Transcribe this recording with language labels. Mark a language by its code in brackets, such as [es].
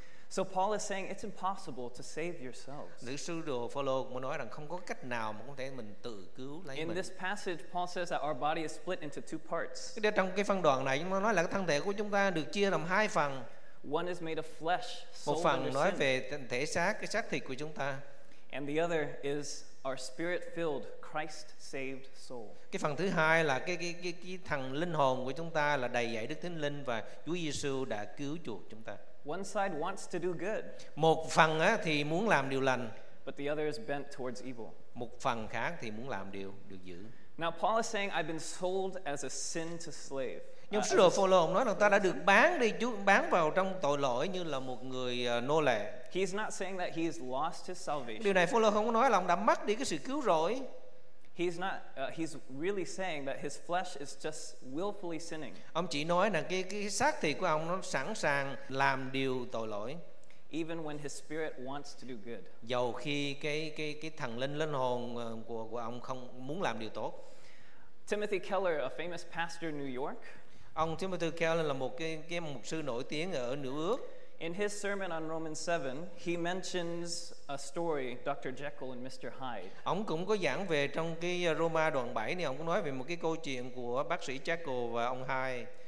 [en] So Paul is saying it's impossible to save yourselves. [vi] Lữ sư đồ Phaolô muốn nói rằng không có cách nào mà có thể mình tự cứu lấy mình. [en] In this passage, Paul says that our body is split into two parts. [vi] Trong cái phân đoạn này, chúng ta nói là cái thân thể của chúng ta được chia làm hai phần. [en] One is made of flesh, [vi] một phần nói về thể xác, cái xác thịt của chúng ta. [en] And the other is our spirit-filled, Christ-saved soul. [vi] Cái phần thứ hai là cái thần linh hồn của chúng ta là đầy dẫy Đức Thánh Linh và Chúa Giêsu đã cứu chuộc chúng ta. [en] One side wants to do good. [vi] Một phần á thì muốn làm điều lành. [en] But the other is bent towards evil. [vi] Một phần khác thì muốn làm điều được dữ. [en] Now Paul is saying I've been sold as a sin to slave. [vi] Nhưng sứ đồ Phaolô nói rằng ta đã được bán đi, bán vào trong tội lỗi như là một người nô lệ. [en] He's not saying that he's lost his salvation. [vi] Điều này Phaolô không có nói là ông đã mất đi cái sự cứu rỗi. [en] He's really saying that his flesh is just willfully sinning. [vi] Ông chỉ nói là cái xác thịt của ông nó sẵn sàng làm điều tội lỗi. [en] Even when his spirit wants to do good. [vi] Dầu khi cái thần linh hồn của ông không muốn làm điều tốt. [en] Timothy Keller, a famous pastor in New York. [vi] Ông Timothy Keller là một cái mục sư nổi tiếng ở New York. [en] In his sermon on Romans 7, he mentions a story, Dr. Jekyll and Mr. Hyde. [vi] Ông cũng có giảng về trong cái Roma đoạn 7 này, ông cũng nói về một cái câu chuyện của bác sĩ Jekyll và ông Hyde.